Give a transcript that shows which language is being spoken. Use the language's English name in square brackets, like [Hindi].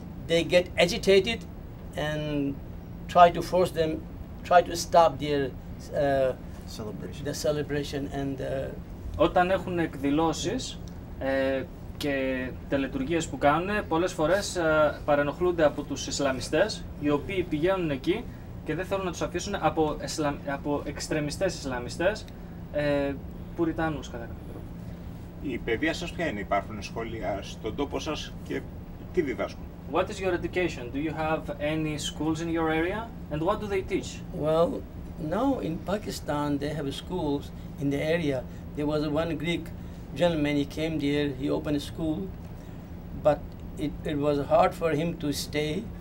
[English] they get agitated and try to force them, try to stop their celebration. The celebration and [Greek] όταν έχουν εκδηλώσεις και τελετουργίες που κάνουν, πολλές φορές παρενοχλούνται από τους Ισλαμιστές, οι οποίοι πηγαίνουν εκεί και δεν θέλουν να τους αφήσουν από εξτρεμιστές Ισλαμιστές, πουριτάνους κατά κάποιο τρόπο. Η παιδεία σας ποια είναι, υπάρχουν σχολεία στον τόπο σας και τι διδάσκουν? [English] What is your education? Do you have any schools in your area? And what do they teach? Well, now in Pakistan they have schools in the area. There was one Greek gentleman, he came there, he opened a school, but it was hard for him to stay.